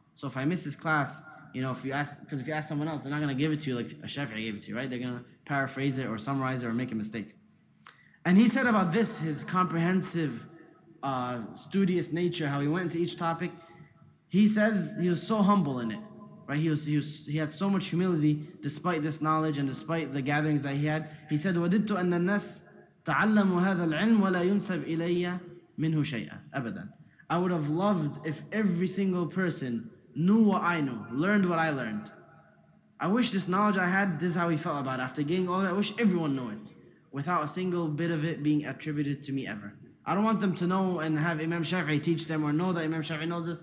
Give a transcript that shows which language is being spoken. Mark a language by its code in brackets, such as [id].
[en] So if I miss this class, you know, if you ask someone else, they're not going to give it to you like a Shafi'i gave it to you, right? They're going to paraphrase it or summarize it or make a mistake. And he said about this, his comprehensive, studious nature, how he went into each topic, he says he was so humble in it. Right, he had so much humility despite this knowledge and despite the gatherings that he had. He said, [ar] وَدِدْتُ أَنَّ النَّاسِ تَعَلَّمُ هَذَا الْعِلْمُ وَلَا يُنْسَبْ إِلَيَّ مِنْهُ شَيْئًا أَبَدًا. [en] I would have loved if every single person knew what I knew, learned what I learned. I wish this knowledge I had, this is how he felt about it. After getting all that, I wish everyone knew it without a single bit of it being attributed to me ever. I don't want them to know and have Imam Shafi'i teach them or know that Imam Shafi'i knows this.